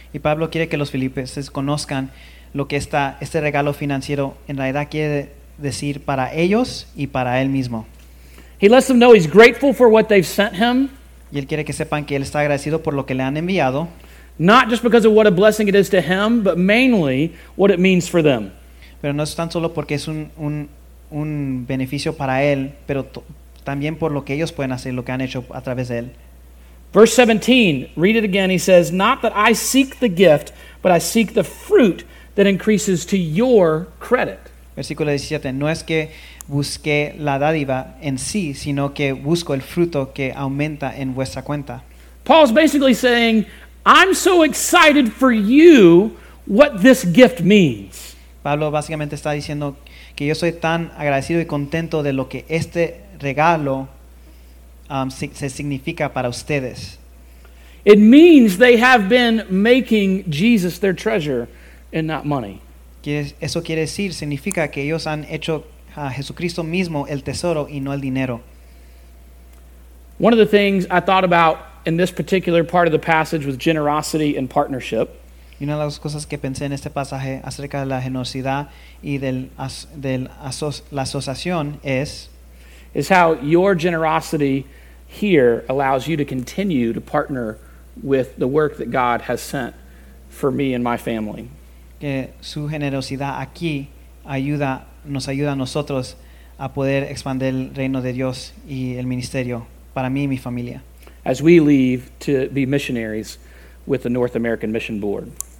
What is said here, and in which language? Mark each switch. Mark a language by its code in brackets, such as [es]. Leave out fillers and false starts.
[es] Y Pablo quiere que los filipenses conozcan lo que este regalo financiero en realidad quiere decir para ellos y para él mismo. [en] He lets them know he's grateful for what they've sent him. [es] Y él quiere que sepan que él está agradecido por lo que le han enviado. [en] Not just because of what a blessing it is to him, but mainly what it means for them. [es] Pero no es tan solo porque es un beneficio para él, pero también por lo que ellos pueden hacer, lo que han hecho a través de él. [en] Verse 17, read it again. He says, "Not that I seek the gift, but I seek the fruit that increases to your credit." [es] Versículo 17, no es que busque la dádiva en sí, sino que busco el fruto que aumenta en vuestra cuenta. [en] Paul's basically saying, "I'm so excited for you what this gift means." [es] Pablo básicamente está diciendo que yo soy tan agradecido y contento de lo que este regalo se significa para ustedes. [en] It means they have been making Jesus their treasure and not money. [es] Eso quiere decir, significa que ellos han hecho a Jesucristo mismo el tesoro y no el dinero. [en] One of the things I thought about in this particular part of the passage was generosity and partnership. [es] Y una de las cosas que pensé en este pasaje acerca de la generosidad y la asociación es [en] how your generosity here allows you to continue to partner with the work that God has sent for me and my family. [es] Que su generosidad aquí nos ayuda a nosotros a poder expandir el reino de Dios y el ministerio para mí y mi familia. [en] As we leave to be missionaries with the North American Mission Board.